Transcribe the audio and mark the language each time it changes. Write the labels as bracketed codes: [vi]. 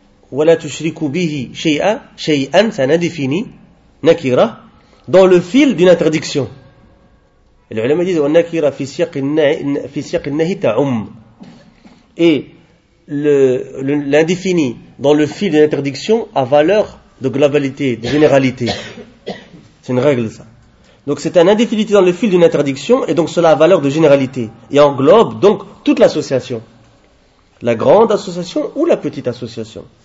[ar] Wa la tushriku bihi shay'an, [fr] shay'an, c'est un indéfini, nakira, dans le fil d'une interdiction. Et les ulama disent, [ar] وَالنَّكِرَ فِي سِيَقِ النَّهِ تَعُمْ. [fr] Et l'indéfini dans le fil de l'interdiction a valeur de globalité, de généralité. C'est une règle ça. Donc c'est un indéfini dans le fil d'une interdiction et donc cela a valeur de généralité. Et englobe donc toute l'association. La grande association ou la petite association.